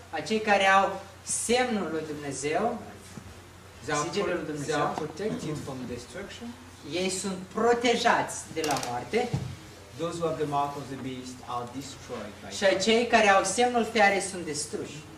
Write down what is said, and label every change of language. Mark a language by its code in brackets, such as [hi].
[ro] acei care au semnul lui Dumnezeu, sigilul lui Dumnezeu, [en] they are protected from destruction. [ro] Ei sunt protejați de la moarte. [en] Those who have the mark of the beast are destroyed by. [ro] Și acei care au semnul fiarei sunt distruși.